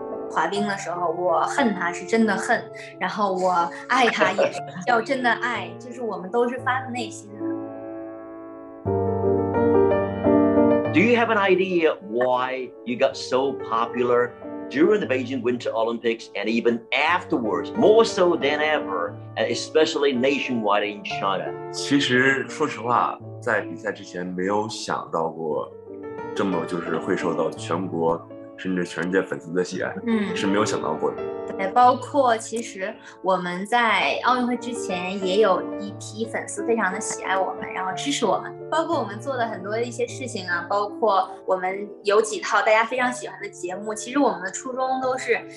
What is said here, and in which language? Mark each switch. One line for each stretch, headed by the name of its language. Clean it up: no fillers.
Chinese: 滑冰的时候，我恨他是真的恨，然后我爱他也是要真的爱，就是我们都是发自内心的。
English: Do you have an idea why you got so popular during the Beijing Winter Olympics and even afterwards, more so than ever, and especially nationwide in China?
Chinese: 其实说实话，在比赛之前没有想到过这么就是会受到全国甚至全世界粉丝的喜爱，是没有想到过的。对，包括其实我们在奥运会之前也有一批粉丝非常的喜爱我们，然后支持我们，包括我们做的很多的一些事情啊，包括我们有几套大家非常喜欢的节目，其实我们的初衷都是